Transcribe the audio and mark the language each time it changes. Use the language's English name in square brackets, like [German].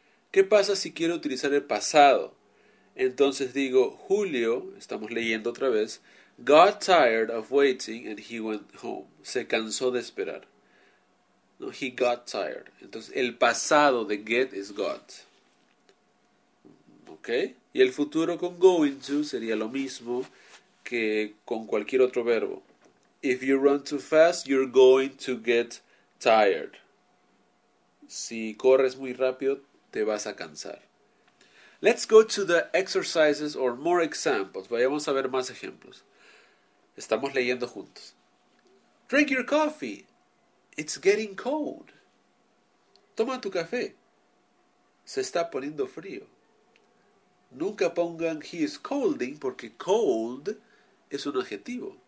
[Spanish] ¿Qué pasa si quiero utilizar el pasado? Entonces digo, Julio, estamos leyendo otra vez, [English] got tired of waiting and he went home. [Spanish] Se cansó de esperar. No, [English] he got tired. [Spanish] Entonces, el pasado de get es got. ¿Ok? Y el futuro con going to sería lo mismo que con cualquier otro verbo. [English] If you run too fast, you're going to get tired. [Spanish] Si corres muy rápido, te vas a cansar. [English] Let's go to the exercises or more examples. [Spanish] Vayamos a ver más ejemplos. Estamos leyendo juntos. [English] Drink your coffee. It's getting cold. [Spanish] Toma tu café. Se está poniendo frío. Nunca pongan [English] he is colding [Spanish] porque cold es un adjetivo.